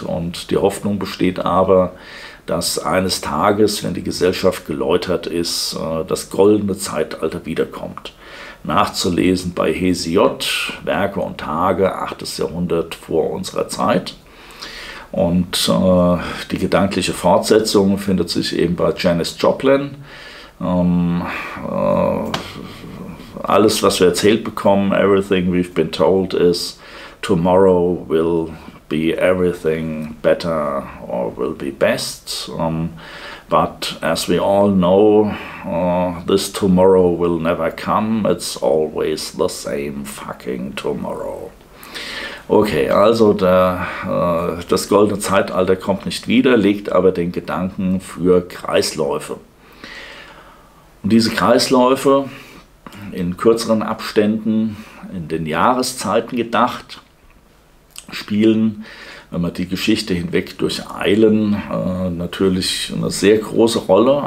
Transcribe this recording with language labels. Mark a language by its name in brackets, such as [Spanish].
[German] Und die Hoffnung besteht aber, dass eines Tages, wenn die Gesellschaft geläutert ist, das goldene Zeitalter wiederkommt. Nachzulesen bei Hesiod, Werke und Tage, 8. Jahrhundert vor unserer Zeit. Und die gedankliche Fortsetzung findet sich eben bei Janis Joplin. Alles, was wir erzählt bekommen, [English] everything we've been told is, tomorrow will be everything better or will be best. But as we all know, this tomorrow will never come. It's always the same fucking tomorrow. [German] Okay, also das goldene Zeitalter kommt nicht wieder, legt aber den Gedanken für Kreisläufe. Und diese Kreisläufe in kürzeren Abständen, in den Jahreszeiten gedacht, spielen, wenn wir die Geschichte hinweg durcheilen, natürlich eine sehr große Rolle.